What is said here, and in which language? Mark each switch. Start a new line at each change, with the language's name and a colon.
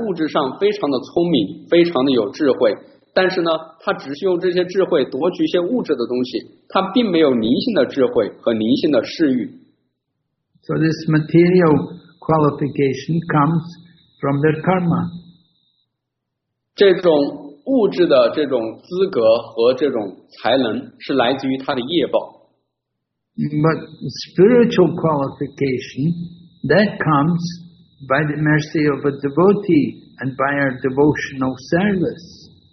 Chinese: 有一些人他可能在物质上非常的聪明,非常的有智慧。但是呢,他只是用这些智慧夺取一些物质的东西,他并没有灵性的智慧和灵性的视域。
English: So this material qualification comes from their karma.
Chinese: 这种物质的这种资格和这种才能是来自于他的业报。
English: But spiritual qualification, that comes by the mercy of a devotee and by our devotional service.